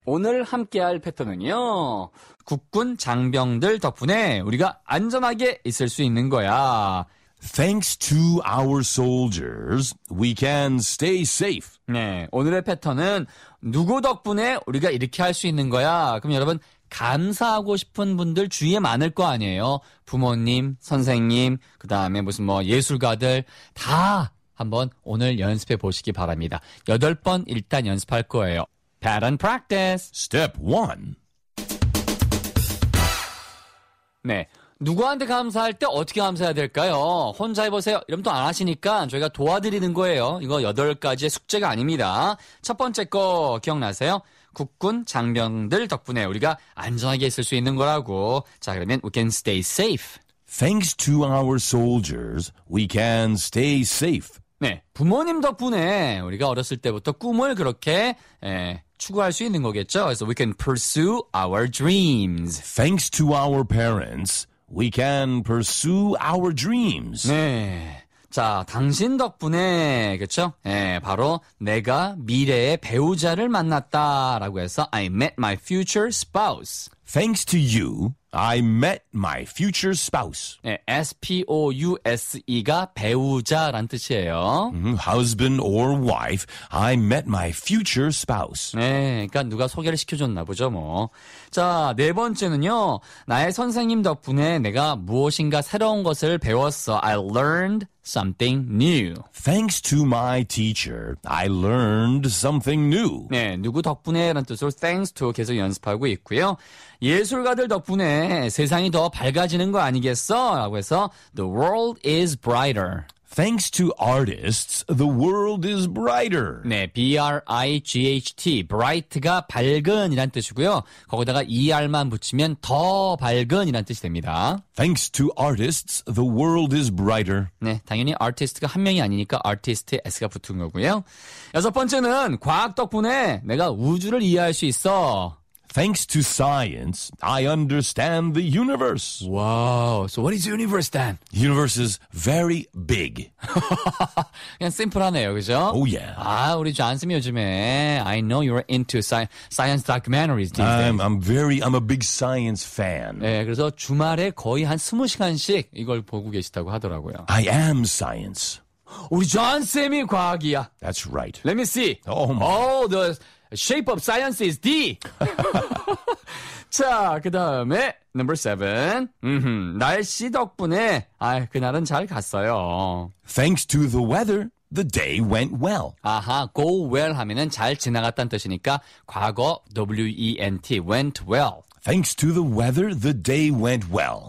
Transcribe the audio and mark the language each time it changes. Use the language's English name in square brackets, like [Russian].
[Korean] 오늘 함께할 패턴은요, 국군 장병들 덕분에 우리가 안전하게 있을 수 있는 거야. [English] Thanks to our soldiers, we can stay safe. [Korean] 네, 오늘의 패턴은 누구 덕분에 우리가 이렇게 할 수 있는 거야. 그럼 여러분, 감사하고 싶은 분들 주위에 많을 거 아니에요. 부모님, 선생님, 그 다음에 무슨 뭐 예술가들 다 한번 오늘 연습해 보시기 바랍니다. 여덟 번 일단 연습할 거예요. [English] Pattern practice. Step one. [Korean] 네. 누구한테 감사할 때 어떻게 감사해야 될까요? 혼자 해보세요. 이러면 또 안 하시니까 저희가 도와드리는 거예요. 이거 여덟 가지의 숙제가 아닙니다. 첫 번째 거 기억나세요? 국군 장병들 덕분에 우리가 안전하게 있을 수 있는 거라고. 자, 그러면 [English] we can stay safe. Thanks to our soldiers, we can stay safe. [Korean] 네, 부모님 덕분에 우리가 어렸을 때부터 꿈을 그렇게 추구할 수 있는 거겠죠. 그래서 [English] we can pursue our dreams. Thanks to our parents, we can pursue our dreams. [Korean] 네, 자, 당신 덕분에, 그렇죠? 네, 바로 내가 미래의 배우자를 만났다라고 해서 [English] I met my future spouse. Thanks to you, I met my future spouse. [Korean] 네, S-P-O-U-S-E가 배우자란 뜻이에요. [English] Husband or wife, I met my future spouse. [Korean] 네, 그러니까 누가 소개를 시켜줬나 보죠, 뭐. 자, 네 번째는요. 나의 선생님 덕분에 내가 무엇인가 새로운 것을 배웠어. [English] I learned something new. Thanks to my teacher, I learned something new. [Korean] 네, 누구 덕분에 라는 뜻으로 thanks to 계속 연습하고 있고요. 예술가들 덕분에 세상이 더 밝아지는 거 아니겠어? 라고 해서 [English] The world is brighter. Thanks to artists, the world is brighter. [Korean] 네, B-R-I-G-H-T, bright가 밝은이란 뜻이고요. 거기다가 ER만 붙이면 더 밝은이란 뜻이 됩니다. [English] Thanks to artists, the world is brighter. [Korean] 네, 당연히 artist가 한 명이 아니니까 artist에 S가 붙은 거고요. 여섯 번째는 과학 덕분에 내가 우주를 이해할 수 있어. [English] Thanks to science, I understand the universe. Wow. So what is universe then? Universe is very big. [Korean] 그냥 심플하네요, 그죠? [English] Oh, yeah. [Korean] 아, 우리 존슨이 요즘에. [English] I know you're into science documentaries these days. I'm a big science fan. [Korean] 네, 그래서 주말에 거의 한 20시간씩 이걸 보고 계시다고 하더라고요. [English] I am science. [Korean] 우리 존슨이 과학이야. [English] That's right. Let me see. Oh, my. Oh, the shape of science is D. [Korean] 자, 그 다음에 [English] number seven. [Korean] 날씨 덕분에 그날은 잘 갔어요. [English] Thanks to the weather, the day went well. [Korean] 아하, go well 하면은 잘 지나갔다는 뜻이니까 과거 went, went well. [English] Thanks to the weather, the day went well.